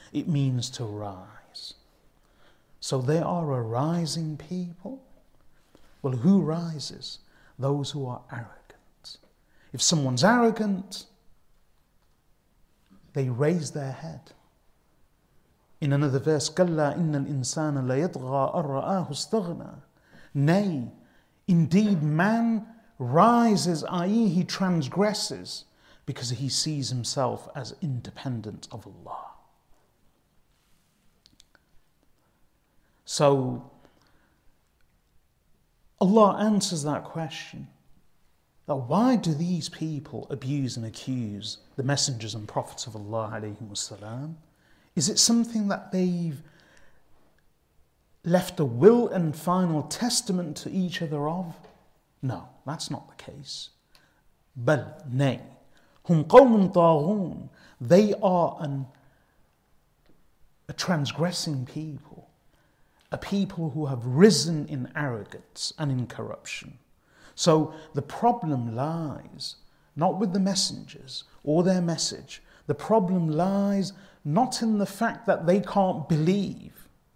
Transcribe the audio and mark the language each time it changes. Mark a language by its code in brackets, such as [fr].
[en] It means to rise. So they are a rising people. Well, who rises? Those who are arrogant. If someone's arrogant, they raise their head. In another verse, [ar] كَلَّا إِنَّ الْإِنسَانَ لَيَطْغَى أَرْرَآهُ اسْتَغْنَى. [en] Nay, indeed man rises, i.e. he transgresses, because he sees himself as independent of Allah. So Allah answers that question, that why do these people abuse and accuse the messengers and prophets of Allah alayhi wasalam? Is it something that they've left a will and final testament to each other of? No, that's not the case. [ar] بل nay, هم قوم طاغون. [en] They are a transgressing people, a people who have risen in arrogance and in corruption. So the problem lies not with the messengers or their message. The problem lies not in the fact that they can't believe.